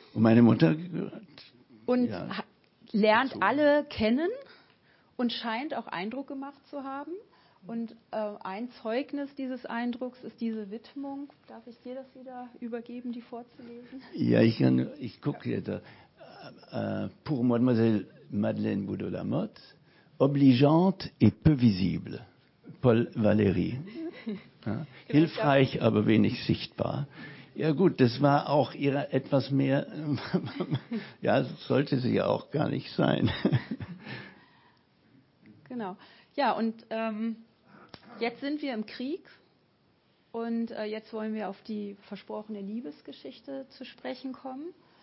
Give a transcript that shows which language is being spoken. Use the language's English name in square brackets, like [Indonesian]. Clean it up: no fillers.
[German] Und meine Mutter. Und lernt alle kennen und scheint auch Eindruck gemacht zu haben. Und ein Zeugnis dieses Eindrucks ist diese Widmung. Darf ich dir das wieder übergeben, die vorzulesen? Ja, ich gucke hier da. [French] Pour Mademoiselle Madeleine Boudot-Lamotte, obligeante et peu visible. Paul Valéry. [German] Ja, hilfreich, aber wenig sichtbar. Ja gut, das war auch ihre etwas mehr, ja, sollte sie ja auch gar nicht sein. Genau. Ja, und jetzt sind wir im Krieg und jetzt wollen wir auf die versprochene Liebesgeschichte zu sprechen kommen.